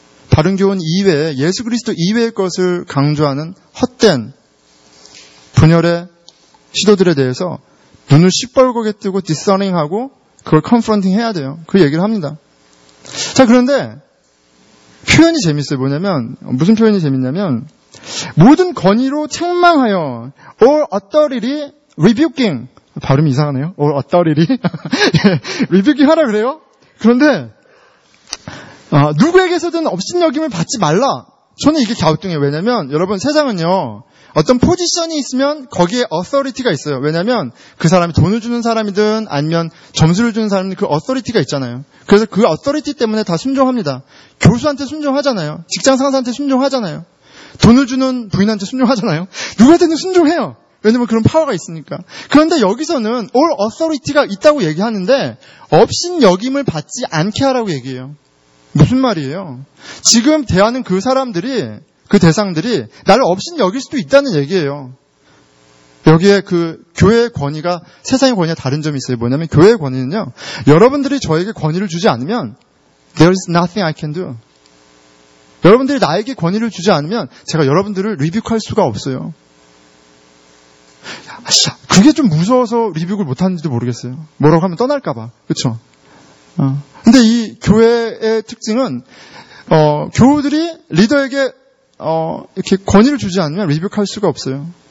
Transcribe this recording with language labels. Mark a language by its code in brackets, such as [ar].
[ko] 바른 교훈 이외에 예수 그리스도 이외의 것을 강조하는 헛된 분열의 시도들에 대해서 눈을 시뻘겋게 뜨고 디스러닝하고 그걸 컨프런팅 해야 돼요. 그 얘기를 합니다. 자, 그런데 표현이 재밌어요. 뭐냐면 무슨 표현이 재밌냐면 모든 권위로 책망하여 [en] all authority rebuking [ko] 발음이 이상하네요. [en] all authority rebuking [ko] 하라 그래요. 그런데 누구에게서든 업신여김을 받지 말라. 저는 이게 갸우뚱해요. 왜냐면 여러분 세상은요 어떤 포지션이 있으면 거기에 authority가 있어요. 왜냐면 그 사람이 돈을 주는 사람이든 아니면 점수를 주는 사람이든 그 authority가 있잖아요. 그래서 그 authority 때문에 다 순종합니다. 교수한테 순종하잖아요. 직장 상사한테 순종하잖아요. 돈을 주는 부인한테 순종하잖아요. 누구한테는 순종해요. 왜냐면 그런 파워가 있으니까. 그런데 여기서는 [en] all authority [ko] 가 있다고 얘기하는데 업신여김을 받지 않게 하라고 얘기해요. 무슨 말이에요? 지금 대하는 그 사람들이 그 대상들이 나를 업신여길 수도 있다는 얘기예요. 여기에 그 교회의 권위가 세상의 권위와 다른 점이 있어요. 뭐냐면 교회의 권위는요. 여러분들이 저에게 권위를 주지 않으면 [en] There is nothing I can do. [ko] 여러분들이 나에게 권위를 주지 않으면 제가 여러분들을 리뷰할 수가 없어요. 그게 좀 무서워서 리뷰를 못하는지도 모르겠어요. 뭐라고 하면 떠날까 봐. 그렇죠? 근데 이 교회의 특징은 교우들이 리더에게 이렇게 권위를 주지 않으면 리뷰크할 수가 없어요.